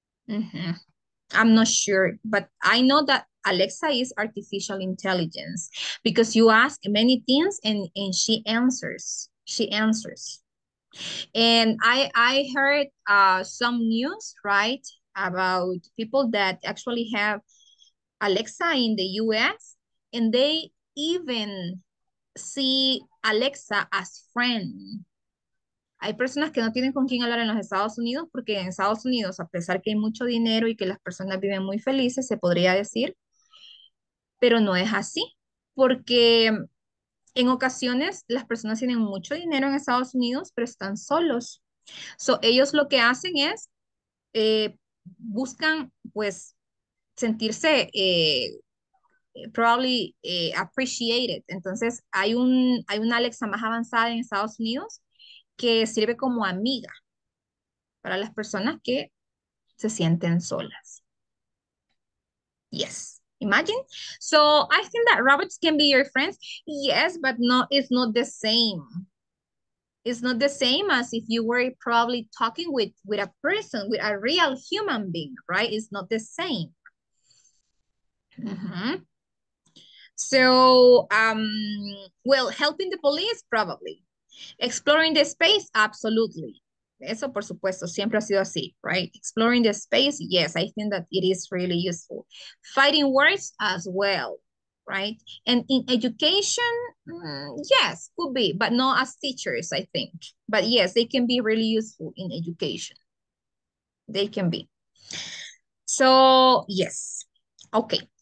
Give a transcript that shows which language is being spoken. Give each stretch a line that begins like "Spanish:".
English: Mm-hmm. I'm not sure, but I know that Alexa is artificial intelligence because you ask many things and she answers. She answers. And I heard some news, right, about people that actually have Alexa in the US and they even see Alexa as friend.
Spanish: Hay personas que no tienen con quién hablar en los Estados Unidos porque en Estados Unidos, a pesar que hay mucho dinero y que las personas viven muy felices, se podría decir, pero no es así porque en ocasiones las personas tienen mucho dinero en Estados Unidos, pero están solos. So, ellos lo que hacen es buscan, pues, sentirse
English: probably appreciated.
Spanish: Entonces, hay una Alexa más avanzada en Estados Unidos que sirve como amiga para las personas que se sienten solas.
English: Yes, imagine. So, I think that robots can be your friends. Yes, but no, it's not the same. It's not the same as if you were probably talking with a person, with a real human being, right? It's not the same. Mm-hmm. So, well, helping the police, probably. Exploring the space, absolutely.
Spanish: Eso, por supuesto, siempre ha sido así, right?
English: Exploring the space, yes, I think that it is really useful. Fighting words as well, right? And in education, yes, could be, but not as teachers, I think. But yes, they can be really useful in education. They can be. So, yes. Okay.